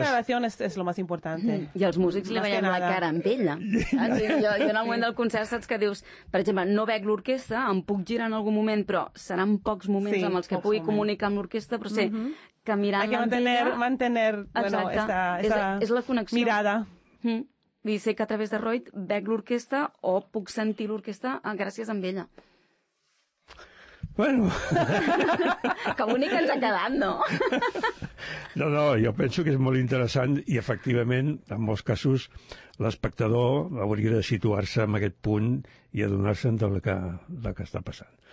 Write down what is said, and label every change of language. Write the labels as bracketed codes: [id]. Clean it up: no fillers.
[es] Esa [ca] relació és [es] lo más importante. [ca] I els músics li veiem la cara amb ella. Jo en el moment del concert saps que dius, per exemple, no veig l'orquestra, em puc girar en algun moment, però seran pocs moments amb els que pugui comunicar amb l'orquestra, però sé que mirant l'antella... [es] Hay que mantener bueno, esa [ca] la connexió. Mirada. I sé que a través de Royd veig l'orquestra o puc sentir l'orquestra gràcies a ella. Bueno... Que bonic que ens ha quedat, no? No, jo penso que és molt interessant i, efectivament, en molts casos, l'espectador hauria de situar-se en aquest punt i adonar-se'n del que està passant.